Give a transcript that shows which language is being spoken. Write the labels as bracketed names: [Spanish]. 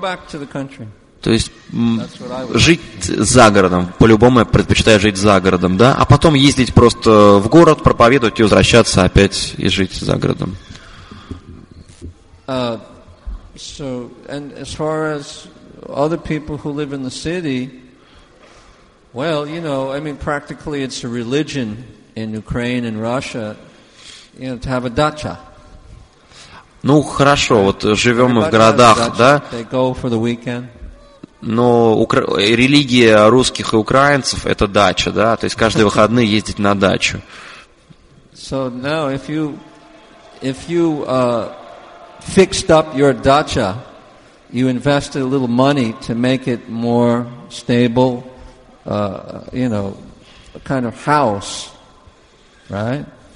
[Russian] То есть жить за городом, по-любому я предпочитаю жить за городом, да? А потом ездить просто в город, проповедовать и возвращаться опять и жить за городом. [English] So, and as far as other people who live in the city, well, you know, I mean, practically it's a religion in Ukraine and Russia, you know, to have a dacha. [Russian] Ну, хорошо, вот живем мы в городах, да? [English] They go for the weekend. [Russian] Но религия русских и украинцев – это дача, да? То есть каждые выходные ездить на дачу. [English] So now, if you fixed up your dacha, you invested a little money to make it more stable, you know, a kind of house, right?